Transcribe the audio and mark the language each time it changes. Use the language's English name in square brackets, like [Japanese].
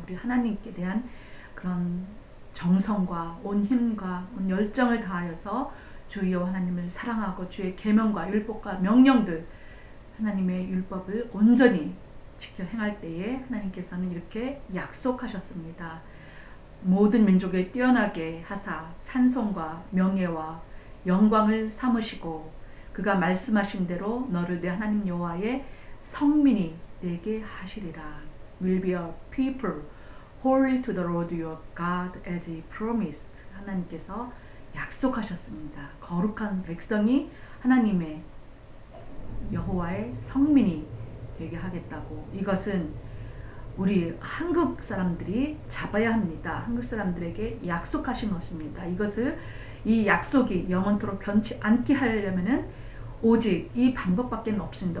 [Korean] 우리 하나님께 대한 그런 정성과 온 힘과 온 열정을 다하여서 주여 하나님을 사랑하고 주의 계명과 율법과 명령들, 하나님의 율법을 온전히 지켜 행할 때에 하나님께서는 이렇게 약속하셨습니다. 모든 민족을 뛰어나게 하사 찬송과 명예와 영광을 삼으시고 그가 말씀하신 대로 너를 내 하나님 여호와의 성민이 되게 하시리라. [English] Will be a people holy to the Lord your God as he promised. [Korean] 하나님께서 약속하셨습니다. 거룩한 백성이 하나님의 여호와의 성민이 되게 하겠다고. 이것은 우리 한국 사람들이 잡아야 합니다. 한국 사람들에게 약속하신 것입니다. 이것을, 이 약속이 영원토록 변치 않게 하려면은 오직 이 방법밖에 없습니다.